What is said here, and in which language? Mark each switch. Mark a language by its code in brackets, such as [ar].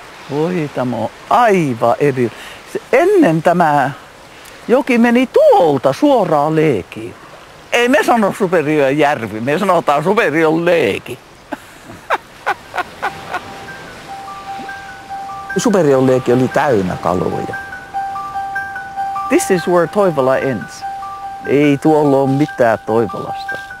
[fi] Voi, tämä on aivan eri. Ennen tämä joki meni tuolta suoraan leekiin. Ei me sano Superion järvi, me sanotaan Superion leeki. Superion leeki oli täynnä kaloja. [en] This is where Toivola ends. [fi] Ei tuolla ole mitään Toivolasta.